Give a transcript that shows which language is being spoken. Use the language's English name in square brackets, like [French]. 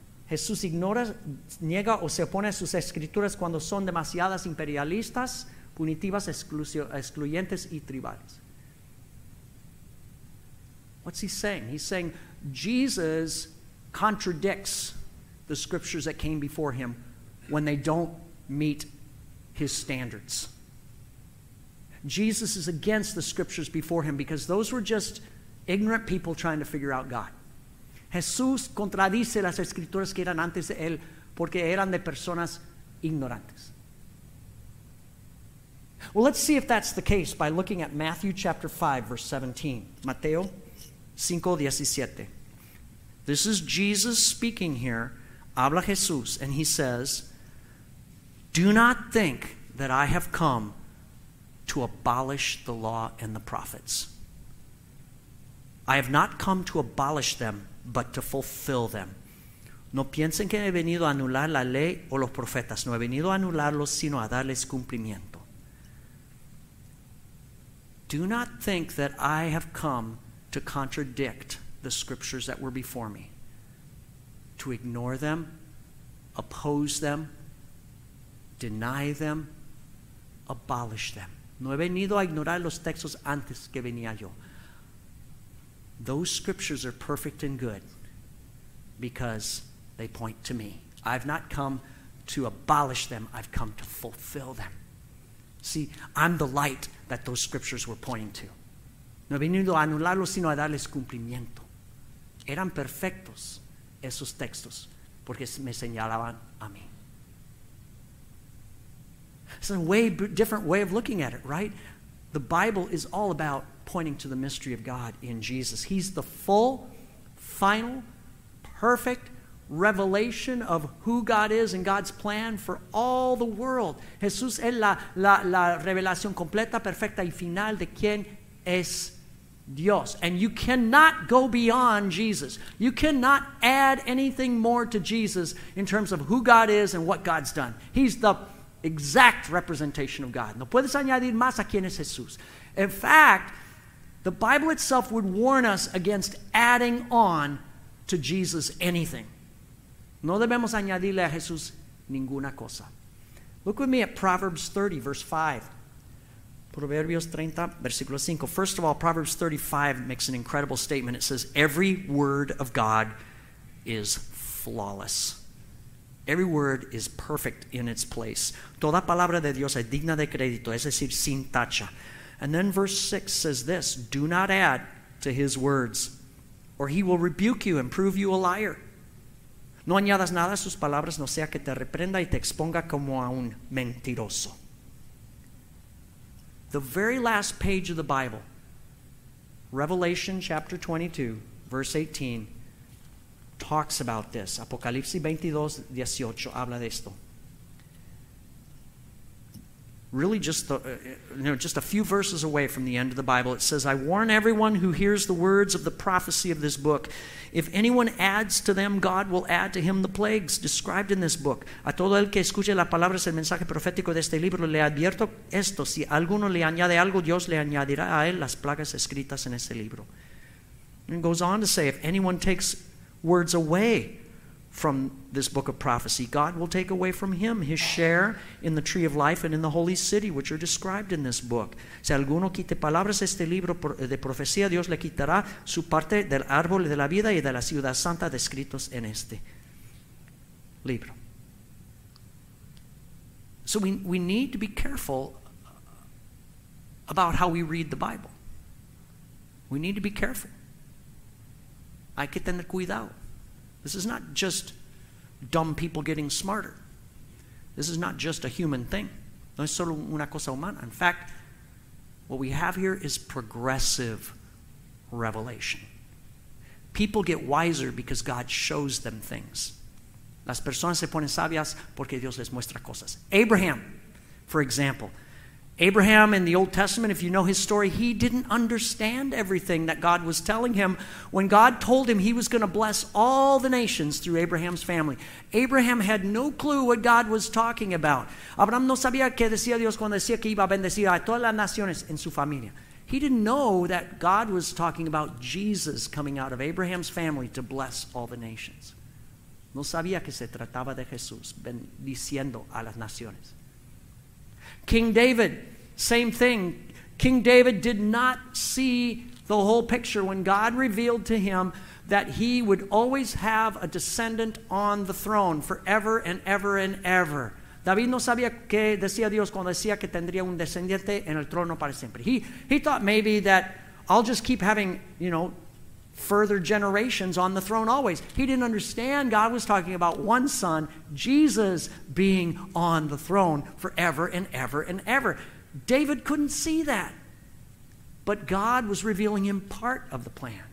[Spanish] Jesús ignora, niega, o se opone a sus escrituras cuando son demasiadas imperialistas, punitivas, excluyentes, y tribales. [English] What's he saying? He's saying, Jesus contradicts the scriptures that came before him when they don't meet his standards. Jesus is against the scriptures before him because those were just ignorant people trying to figure out God. [Spanish] Jesús contradice las escrituras que eran antes de él porque eran de personas ignorantes. [English] Well, let's see if that's the case by looking at Matthew chapter 5, verse 17. [Spanish] Mateo 5:17. [English] This is Jesus speaking here, [Spanish] habla Jesús, [English] and he says, do not think that I have come to abolish the law and the prophets. I have not come to abolish them, but to fulfill them. [Spanish] No piensen que he venido a anular la ley o los profetas. No he venido a anularlos, sino a darles cumplimiento. [English] Do not think that I have come to contradict the scriptures that were before me, to ignore them, oppose them, deny them, abolish them. [Spanish] No he venido a ignorar los textos antes que venía yo. [English] Those scriptures are perfect and good because they point to me. I've not come to abolish them, I've come to fulfill them. See, I'm the light that those scriptures were pointing to. [Spanish] No he venido a anularlos, sino a darles cumplimiento. Eran perfectos esos textos porque me señalaban a mí. [English] It's a way different way of looking at it, right? The Bible is all about pointing to the mystery of God in Jesus. He's the full, final, perfect revelation of who God is and God's plan for all the world. [Spanish] Jesús es la revelación completa, perfecta y final de quién es Dios. [English] And you cannot go beyond Jesus. You cannot add anything more to Jesus in terms of who God is and what God's done. He's the exact representation of God. [Spanish] No puedes añadir más a quién es Jesús. [English] In fact, the Bible itself would warn us against adding on to Jesus anything. [Spanish] No debemos añadirle a Jesús ninguna cosa. [English] Look with me at Proverbs 30, verse 5. [Spanish] Proverbios 30, versículo 5. [English] First of all, Proverbs 35 makes an incredible statement. It says, every word of God is flawless. Every word is perfect in its place. [Spanish] Toda palabra de Dios es digna de crédito, es decir, sin tacha. [English] And then verse 6 says this, do not add to his words, or he will rebuke you and prove you a liar. [Spanish] No añadas nada a sus palabras, no sea que te reprenda y te exponga como a un mentiroso. [English] The very last page of the Bible, Revelation chapter 22, verse 18, talks about this. [Spanish] Apocalipsis 22, 18, habla de esto. [English] Really just a few verses away from the end of the Bible, it says, I warn everyone who hears the words of the prophecy of this book. If anyone adds to them, God will add to him the plagues described in this book. [Spanish] A todo el que escuche las palabras del mensaje profético de este libro, le advierto esto. Si alguno le añade algo, Dios le añadirá a él las plagas escritas en este libro. [English] And it goes on to say, if anyone takes words away from this book of prophecy, God will take away from him his share in the tree of life and in the holy city, which are described in this book. [Spanish] Si alguno quite palabras este libro de profecía, Dios le quitará su parte del árbol de la vida y de la ciudad santa descritos en este libro. [English] So we need to be careful about how we read the Bible. We need to be careful. [Spanish] Hay que tener cuidado. [English] This is not just dumb people getting smarter. This is not just a human thing. [Spanish] No es solo una cosa humana. [English] In fact, what we have here is progressive revelation. People get wiser because God shows them things. [Spanish] Las personas se ponen sabias porque Dios les muestra cosas. [English] Abraham, for example. Abraham in the Old Testament, if you know his story, he didn't understand everything that God was telling him when God told him he was going to bless all the nations through Abraham's family. Abraham had no clue what God was talking about. [Spanish] Abraham no sabía qué decía Dios cuando decía que iba a bendecir a todas las naciones en su familia. [English] He didn't know that God was talking about Jesus coming out of Abraham's family to bless all the nations. [Spanish] No sabía que se trataba de Jesús bendiciendo a las naciones. [English] King David, same thing. King David did not see the whole picture when God revealed to him that he would always have a descendant on the throne forever and ever and ever. [Spanish] David no sabía qué decía Dios cuando decía que tendría un descendiente en el trono para siempre. [English] He thought maybe that I'll just keep having, you know, further generations on the throne always. He didn't understand God was talking about one son, Jesus, being on the throne forever and ever and ever. David couldn't see that. But God was revealing him part of the plan.